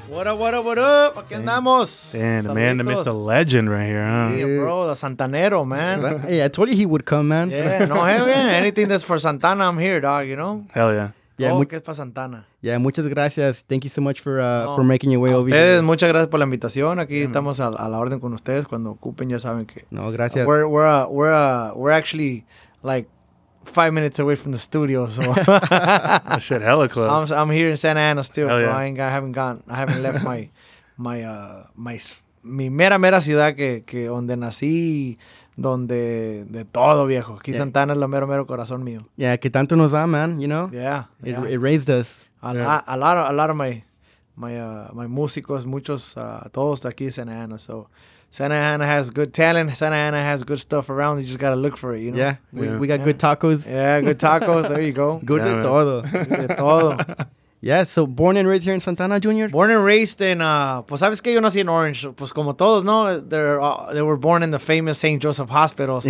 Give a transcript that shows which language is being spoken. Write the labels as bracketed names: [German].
[English] What up? [Spanish] ¿Qué andamos? [English] Man, the man, the myth, the legend right here, huh? Yeah, bro, the Santanero, man. Hey, I told you he would come, man. Yeah, anything that's for Santana, I'm here, dog, you know? Hell yeah. Yeah, [Spanish] que es para Santana. Yeah, muchas gracias. [English] Thank you so much for making your way over here. [Spanish] Muchas gracias por la invitación. Aquí estamos a la orden con ustedes cuando ocupen. Ya saben que no, gracias. [English] We're actually like 5 minutes away from the studio. So shit, hella close. I'm here in Santa Ana still. Hell yeah. I haven't left my [Spanish] mera ciudad que donde nací. Donde de todo, viejo. Aquí Santana es lo mero, mero corazón mío. Yeah, que tanto nos da, [English] man, you know? Yeah. It raised us. A lot of my [Spanish] my músicos, muchos, todos de aquí de Santa Ana. [English] So Santa Ana has good talent. Santa Ana has good stuff around. You just got to look for it, you know? Yeah. We got good tacos. Yeah, good tacos. There you go. Good yeah, [Spanish] de todo. De todo. [English] Yeah, so born and raised here in Santa Ana, Junior? Born and raised in, [Spanish] pues sabes que yo nací en Orange. Pues como todos, ¿no? [English] They were born in the famous St. Joseph Hospital. So,